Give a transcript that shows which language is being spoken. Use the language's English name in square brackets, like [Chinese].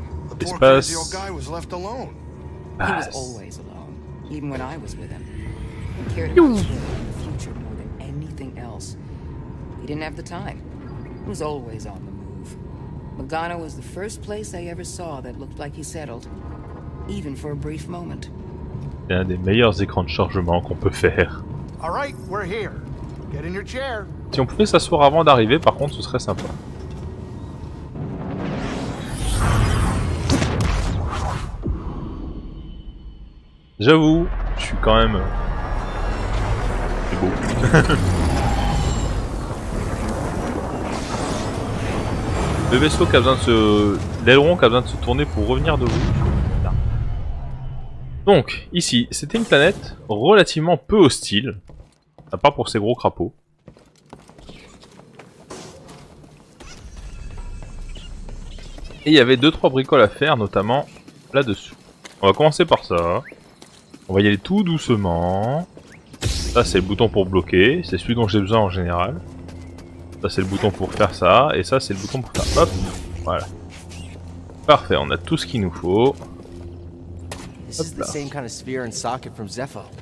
[English] The poor crazy old guy was left alone. He was always alone, even when I was with him. He cared about the future more than anything else. He didn't have the time. He was always on the move. Magana was the first place I ever saw that looked like he settled, even for a brief moment. [French] C'est un des meilleurs écrans de chargement qu'on peut faire. [English] Alright, we're here. Get in your chair. [French] Si on pouvait s'asseoir avant d'arriver, par contre, ce serait sympa. J'avoue, je suis quand même... C'est beau. Le vaisseau qui a besoin de se... L'aileron qui a besoin de se tourner pour revenir de vous. Donc, ici, c'était une planète relativement peu hostile, à part pour ses gros crapauds. Et il y avait 2-3 bricoles à faire, notamment là-dessous. On va commencer par ça. On va y aller tout doucement. Ça, c'est le bouton pour bloquer. C'est celui dont j'ai besoin en général. Ça, c'est le bouton pour faire ça. Et ça, c'est le bouton pour faire... Hop ! Voilà. Parfait, on a tout ce qu'il nous faut. [English] This is the same kind of sphere and socket from Zepho.